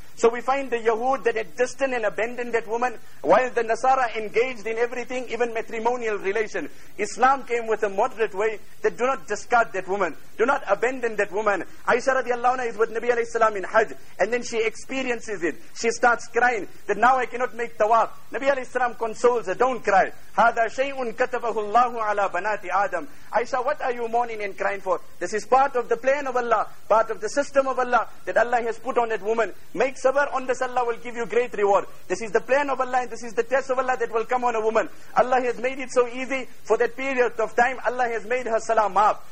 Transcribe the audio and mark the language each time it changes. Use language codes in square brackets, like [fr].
[en] So we find the Yahud that had distanced and abandoned that woman, while the Nasara engaged in everything, even matrimonial relation. Islam came with a moderate way that do not discard that woman, do not abandon that woman. Aisha radiallahu anha is with Nabi alayhi salam in Hajj, and then she experiences it. She starts crying that now I cannot make tawaf. Nabi alayhi salam consoles her, don't cry. [ar] هذا شيء كتبه الله على بنات آدم. [en] Aisha, what are you mourning and crying for? This is part of the plan of Allah, part of the system of Allah that Allah has put on that woman. Make sabr, on this Allah will give you great reward. This is the plan of Allah, and this is the test of Allah that will come on a woman. Allah has made it so easy for that period of time. Allah has made her salah maaf.